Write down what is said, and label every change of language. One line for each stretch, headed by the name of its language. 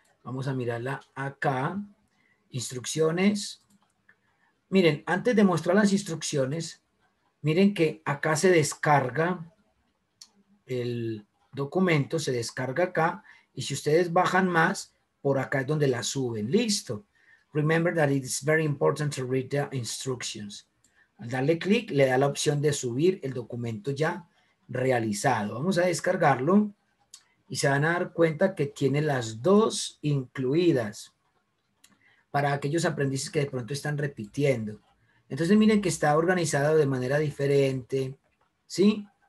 Spanish: Vamos a mirarla acá. Instrucciones. Miren, antes de mostrar las instrucciones, miren que acá se descarga documento se descarga acá, y si ustedes bajan más, por acá es donde la suben. Listo.
English: Remember that it's very important to read the instructions.
Spanish: Al darle clic, le da la opción de subir el documento ya realizado. Vamos a descargarlo y se van a dar cuenta que tiene las dos incluidas para aquellos aprendices que de pronto están repitiendo. Entonces, miren que está organizado de manera diferente, ¿sí?